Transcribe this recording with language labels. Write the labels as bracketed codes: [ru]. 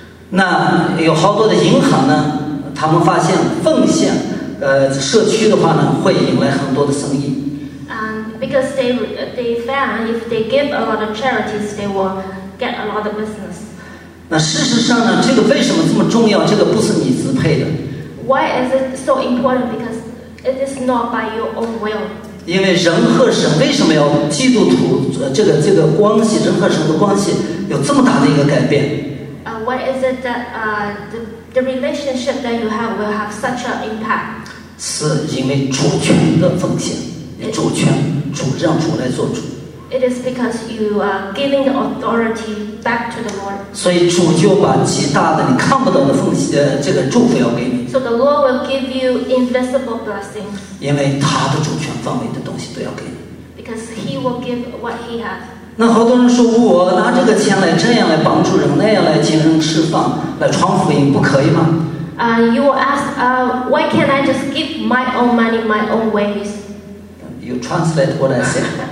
[zh] 那有好多的银行呢，他们发现奉献，社区的话呢，会引来很多的生意。 [en] Because they found if they give a lot of charities, they will get a lot of business. [zh] 那事实上呢，这个为什么这么重要？这个不是你支配的。 [en] Why is it so important? Because it is not by your own will. [zh] 因为人和神为什么要基督徒这个关系，人和神的关系有这么大的一个改变？ [en] What is it that the relationship that you have will have such an impact? [zh] 是因为主权的奉献，主权主让主来做主。 [en] It is because you are giving the authority back to the Lord. [zh] 所以主就把极大的你看不到的奉献这个祝福要给你。 [en] So the Lord will give you invisible blessing. [zh] 因为他的主权范围的东西都要给你。 [en] Because he will give what he has. [zh] 那好多人说我拿这个钱来这样来帮助人，那样来精神释放，来传福音，不可以吗？ [en] You will ask, why can't I just give my own money, my own ways? You translate what I said.